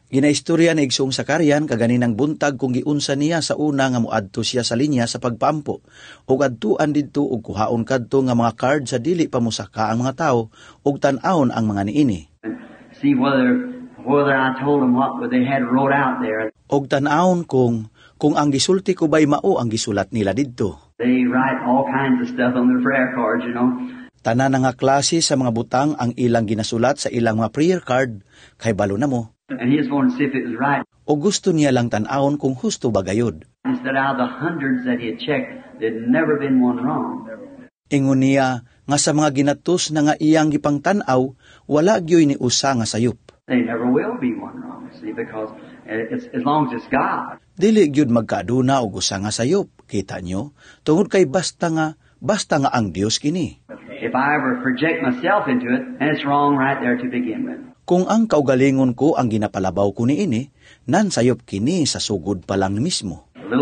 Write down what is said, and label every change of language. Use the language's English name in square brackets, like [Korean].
[Cebuano] Ginaistorya ni Igsoong Sakarian kaganinang buntag kung giunsa niya sa una nga muadto siya sa linya sa pagpampo. Ug adtuan didto ug kuhaon kadto nga mga card sa dili pa musaka ang mga tao ug tan-aon ang mga niini. [English] See whether I told them what they had wrote out there. [Cebuano] Ug tan-aon kung ang gisulti ko bay mao ang gisulat nila didto. [English] They write all kinds of stuff on their prayer cards, you know. [Cebuano] Tanan nga klase sa mga butang ang ilang ginasulat sa ilang mga prayer card kay balo na mo. [English] And he is going to see if it was right. [Cebuano] O gusto niya lang tan-aon kung husto ba gayud. [English] Instead of the hundreds that he had checked, there'd never been one wrong. [Cebuano] Ingon niya nga sa mga ginatus na nga iyang gipang tan-aw, wala gyoy ni usa nga sayup. [English] They never will be one wrong, see, because it's, as long as it's God. [Cebuano] Dili gyud magkaduna og usa nga sayup, kita nyo, tungod kay basta nga ang Dios kini. [English] If I ever project myself into it, then it's wrong right there to begin with. [Cebuano] Kung ang kaugalingon ko ang ginapalabaw ko niini, nansayop kini sa sugod pa lang mismo.